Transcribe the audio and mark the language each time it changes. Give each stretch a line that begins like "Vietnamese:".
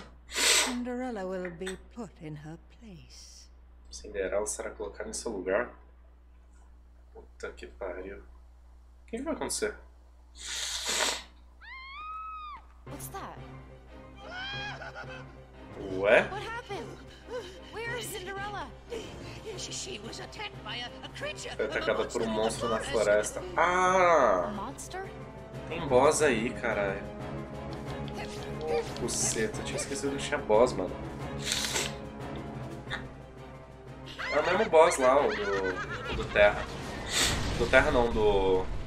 English: Cinderella will be put in her place.
Portuguese: Cinderella será colocada em seu lugar? Puta que pariu. O que vai acontecer?
English: What's that?
Portuguese: Ué?
English: What happened? Where is Cinderella? She was attacked by a creature.
Portuguese: Foi atacada por um monstro na floresta. Ah!
English: Monster?
Portuguese: Tem boss aí, caralho. Puceta, tinha esquecido que tinha boss, mano. É o mesmo boss lá, o do Terra. Do Terra não, do...